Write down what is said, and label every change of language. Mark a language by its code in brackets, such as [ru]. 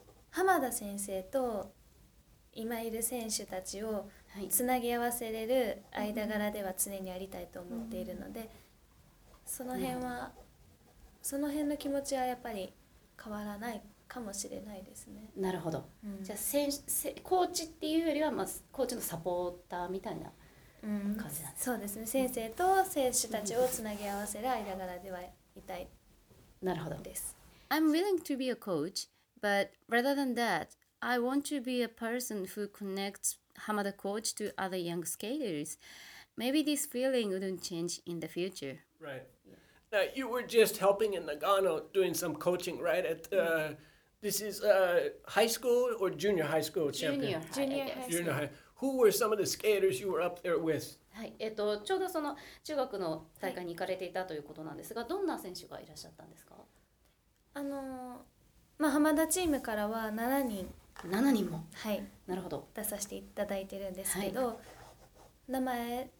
[ja] 浜田先生と今いる選手たちをつなぎ合わせれる間柄では常にありたいと思っているので、その辺はその辺の気持ちはやっぱり変わらないかもしれないですね。なるほど、うん、じゃあ選手コーチっていうよりはまあコーチのサポーターみたいな感じなんです、うん、そうですね、先生と選手たちをつなぎ合わせる間柄ではいたいです。なるほど。 [en] I'm willing to be a coach, but rather than that, I want to be a person who connects Hamada coach to other young skaters. Maybe this feeling wouldn't change in the future. Right. Now, you were just helping in Nagano, doing some coaching, right? At this is high school or junior high school champion? Junior high, junior high. Who were some of the skaters you were up there with? [ja] ちょうどその中学の大会に行かれていたということなんですが、どんな選手がいらっしゃったんですか？まあ、浜田チームからは7人。 7人も、はい、なるほど、出させていただいてるんですけど、はい、名前、